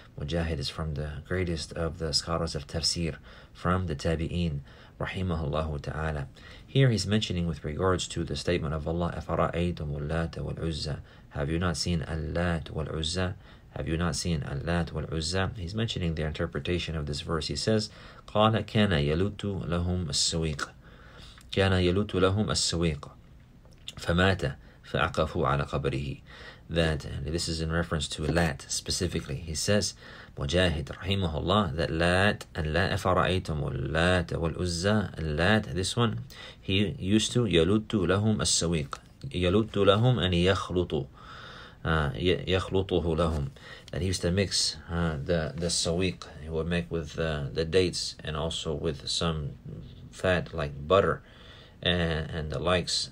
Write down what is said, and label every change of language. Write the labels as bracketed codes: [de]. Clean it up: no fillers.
[en] Mujahid is from the greatest of the scholars of tafsir, from the tabi'in rahimahullahu ta'ala. Here he's mentioning with regards to the statement of Allah, [ar] afara'aytum al-lat wal-uzza, [en] have you not seen al-lat wal-uzza? Have you not seen Al-Lat wal-Uzza? He's mentioning the interpretation of this verse. He says, [ar] قَالَ كَانَ يَلُوتُ لَهُمْ السَّوِيقَ كَانَ يَلُوتُ لَهُمْ السَّوِيقَ فَمَاتَ فَأَقَفُوا عَلَى قَبْرِهِ. [en] That, this is in reference to Lat specifically. He says, Mujahid rahimahullah, that Lat, Allah, [ar] afara'aytum Lat wal-Uzza, [en] Lat, this one, he used to, [ar] يَلُوتُ لَهُمْ السَّوِيقَ يَلُوتُ لَهُمْ أَنِ يَخْلُطُ يَخْلُطُهُ لَهُمْ, [en] that he used to mix the sawiq, he would make with the dates and also with some fat like butter and the likes.